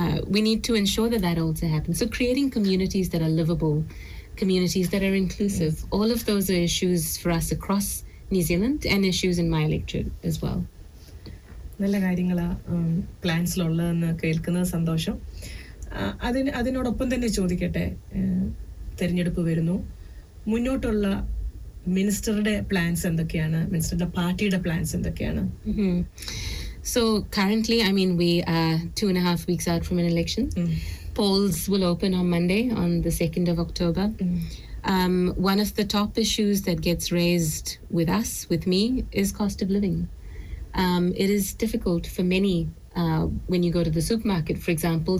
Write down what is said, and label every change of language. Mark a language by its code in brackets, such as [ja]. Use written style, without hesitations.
[en] We need to ensure that that also happens. So creating communities that are livable, communities that are inclusive, all of those are issues for us across New Zealand and issues in my electorate as well. [ml] നല്ല കാര്യങ്ങളാ പ്ലാൻസിലുള്ളതെന്ന് കേൾക്കുന്നത് സന്തോഷം. അതിന് അതിനോടൊപ്പം തന്നെ ചോദിക്കട്ടെ, തിരഞ്ഞെടുപ്പ് വരുന്നു, മുന്നോട്ടുള്ള മിനിസ്റ്ററുടെ പ്ലാൻസ് എന്തൊക്കെയാണ്, മിനിസ്റ്ററുടെ പാർട്ടിയുടെ പ്ലാൻസ് എന്തൊക്കെയാണ്? [en] So currently, I mean, we are 2.5 weeks out from an election. Mm. Polls will open on Monday, on the 2nd of October. Mm. One of the top issues that gets raised with us, with me, is cost of living. It is difficult for many when you go to the supermarket, for example.